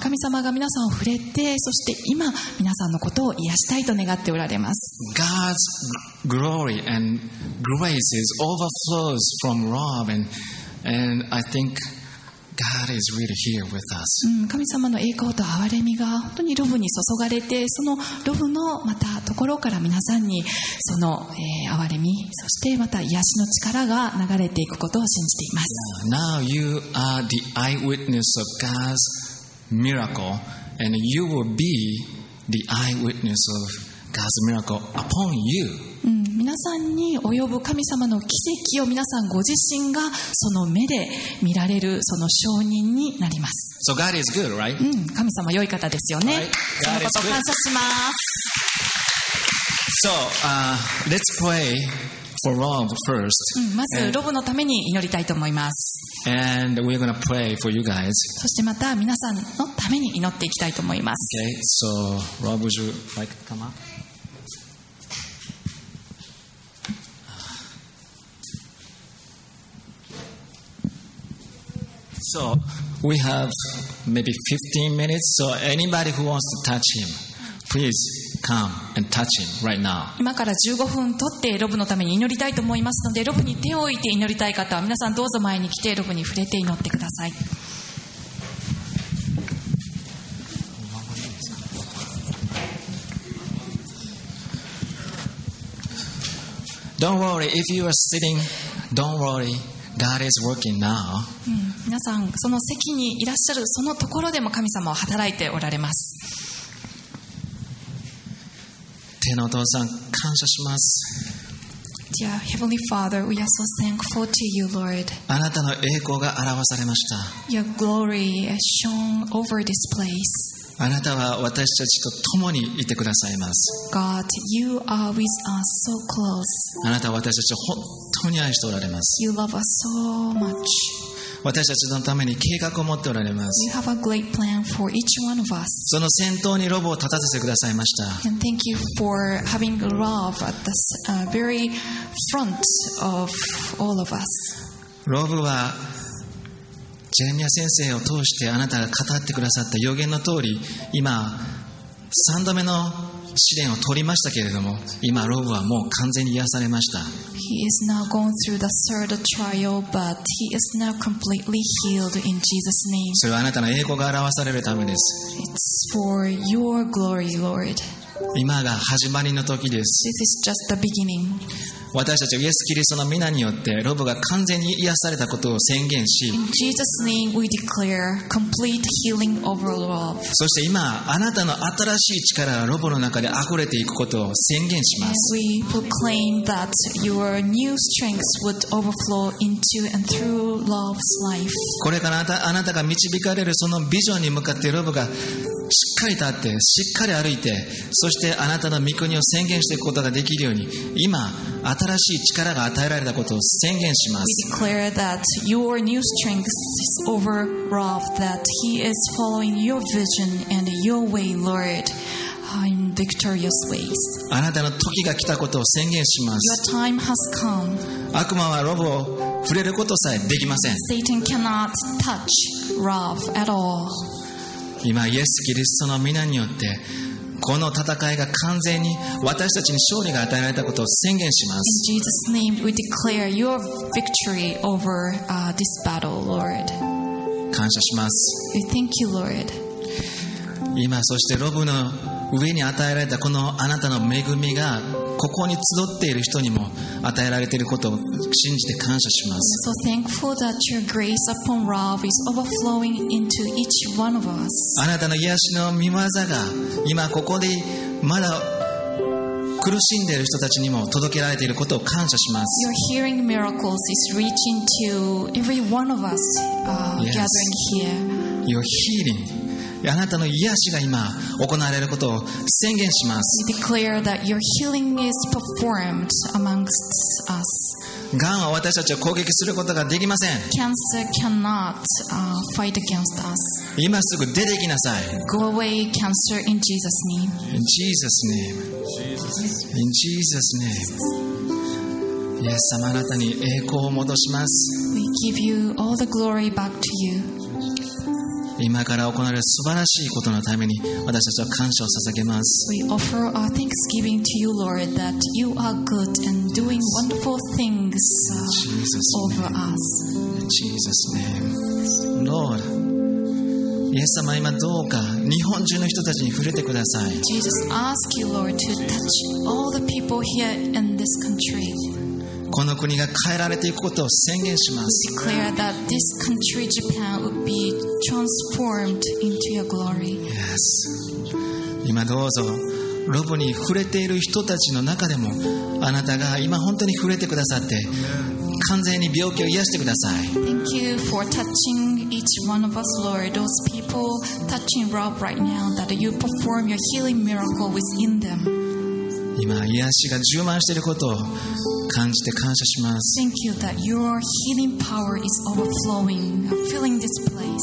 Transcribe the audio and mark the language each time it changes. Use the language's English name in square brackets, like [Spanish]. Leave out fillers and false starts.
[Japanese] 神様が皆さんを触れて、そして今皆さんのことを癒したいと願っておられます。 [English] God's glory and grace is overflows from Rob, and I think. God is really here with us. [Japanese] 神様の栄光と憐れみが本当にロブに注がれて、そのロブのまたところから皆さんにその、憐れみ、そしてまた癒しの力が流れていくことを信じています。 [English] Now you are the eyewitness of God's miracle, and you will be the eyewitness of God's miracle upon you. [Japanese] 皆さんに及ぶ神様の奇跡を皆さんご自身がその目で見られるその証人になります。 [English] So God is good, right? [Japanese] 神様良い方ですよね、 [English] right? [Japanese] そのことを感謝します。 [English] So, let's pray for Rob first. [Japanese] まずロブのために祈りたいと思います。 [English] And we're gonna pray for you guys. [Japanese] そしてまた皆さんのために祈っていきたいと思います。 [English] Okay, so Rob, would you like to come up? So we have maybe 15 minutes. So anybody who wants to touch him, please come and touch him right now. [Japanese] 今から15分取ってロブのために祈りたいと思いますので、ロブに手を置いて祈りたい方は皆さんどうぞ前に来てロブに触れて祈ってください。 [English] Don't worry if you are sitting. Don't worry. God is working now. [Japanese] 皆さんその席にいらっしゃるそのところでも神様は働いておられます。天のお父さん感謝します。 [English] Dear Heavenly Father, we are so thankful to you, Lord. [Japanese] あなたの栄光が表されました。 [English] Your glory has shone over this place. [Japanese] あなたは私たちと共にいてくださいます。 [English] God, you are with us so close. [Japanese] あなたは私たちを本当に愛しておられます。 [English] You love us so much. [Japanese] 私たちのために計画を持っておられます。 [English] You have a great plan for each one of us. [Japanese] その先頭にロブを立たせてくださいました。 [English] And thank you for having love at the very front of all of us. [Japanese] ロブはジェレミア先生を通してあなたが語ってくださった予言の通り今3度目の試練を通りましたけれども、今ロブはもう完全に癒されました。 [English] He is now going through the third trial, but he is now completely healed in Jesus' name. [Japanese] それはあなたの栄光が表されるためです。 [English] It's for your glory, Lord. [Japanese] 今が始まりの時です。 [English] This is just the beginning. [Japanese] 私たちイエス・キリストの御名によってロブが完全に癒されたことを宣言し、 [English] In Jesus' name we declare complete healing over Rob. [Japanese] そして今あなたの新しい力がロブの中で溢れていくことを宣言します。 [English] We proclaim that your new strengths would overflow into and through Rob's life. [Japanese] これからあなたが導かれるそのビジョンに向かってロブがしっかり立ってしっかり歩いてそしてあなたの御国を宣言していくことができるように今新しい力が与えられたことを宣言します。 [English] We declare that your new strength is over Rob, that he is following your vision and your way, Lord, in victorious ways. [Japanese] あなたの時が来たことを宣言します。 [English] Your time has come. [Japanese] 悪魔はロブを触れることさえできません。 [English] Satan cannot touch Rob at all. [Japanese] 今イエス・キリストの御名によってこの戦いが完全に私たちに勝利が与えられたことを宣言します。 [English] In Jesus' name we declare your victory over this battle, Lord. [Japanese] 感謝します。 [English] Thank you, Lord. [Japanese] 今そしてロブの上に与えられたこのあなたの恵みがここに集っている人にも与えられていることを信じて感謝します。 [English] So thankful that your grace upon Rob is overflowing into each one of us. [Japanese] あなたの癒しの御業が今ここでまだ苦しんでいる人たちにも届けられていることを感謝します。 [English] Your healing miracles is reaching to every one of us gathering here. Your healing [Japanese] あなたの癒しが今行われることを宣言します。 [English] We declare that your healing is performed amongst us. [Japanese] がんは私たちを攻撃することができません。 [English] Cancer cannot fight against us. [Japanese] 今すぐ出て行きなさい。 [English] Go away, cancer, in Jesus' name. In Jesus' name. In Jesus' name. [Japanese] イエス様あなたに栄光を戻します。 [English] We give you all the glory back to you. [Japanese] 今から行われる素晴らしいことのために私たちは感謝を捧げます。 [English] We offer our thanksgiving to you, Lord, that you are good and doing wonderful things over us. In Jesus' name. Lord, [Japanese] イエス様今どうか日本中の人たちに触れてください。 [English] Jesus, ask you, Lord, to touch all the people here in this country. [Japanese] この国が変えられていくことを宣言します。 [English] We declare that this country, Japan, would be transformed into your glory. Yes. [Japanese] 今どうぞロブに触れている人たちの中でもあなたが今本当に触れてくださって完全に病気を癒してください。 [English] Thank you for touching each one of us, Lord. Those people touching Rob right now, that you perform your healing miracle within them. [Japanese] 今癒しが充満していることを感じて感謝します。 [English] Thank you that your healing power is overflowing, filling this place.